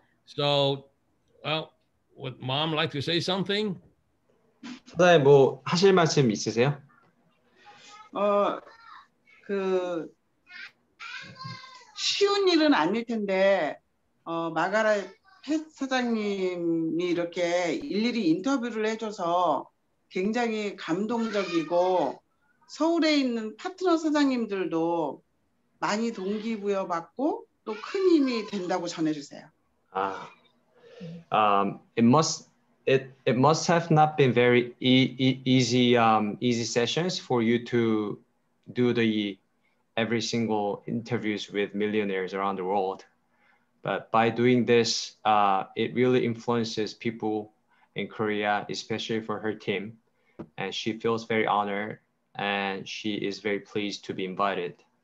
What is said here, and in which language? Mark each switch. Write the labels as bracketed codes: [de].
[en] So, well, would mom like to say something? [ko] 네, 뭐 하실 말씀 있으세요? 그 쉬운 일은 아닐 텐데 마가라 펫 사장님이 이렇게 일일이 인터뷰를 해줘서 굉장히 감동적이고 서울에 있는 파트너 사장님들도 많이 동기부여 받고 또 큰 힘이 된다고 전해 주세요. 아. [en] It must have not been very easy sessions for you to do the every single interviews with millionaires around the world. But by doing this, it really influences people in Korea, especially for her team, and she feels very honored and she is very pleased to be invited.